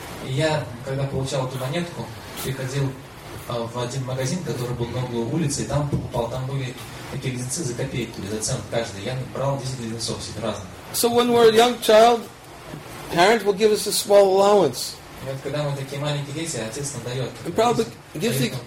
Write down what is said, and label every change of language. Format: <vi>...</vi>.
<ru>Я когда получал эту монетку, приходил в один магазин, который был на углу улицы, и там покупал, там были такие леденцы за копейку, за цент каждый. Я брал 10 леденцов себе разных.</ru> <en>So when we're a young child, parents will give us a small allowance.</en> <ru>И вот когда мы такие маленькие дети, отец нам дает.</ru>